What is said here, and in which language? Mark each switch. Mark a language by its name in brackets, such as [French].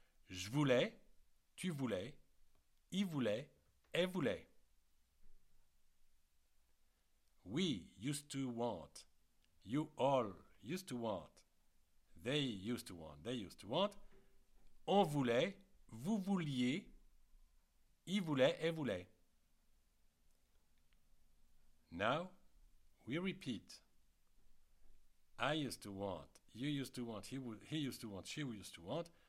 [French] Je voulais, tu voulais, il voulait, elle voulait. [English] We used to want, you all used to want, they used to want, they used to want. [French] On voulait, vous vouliez, il voulait, elle voulait. [English] Now, we repeat. I used to want, you used to want, he used to want, she used to want.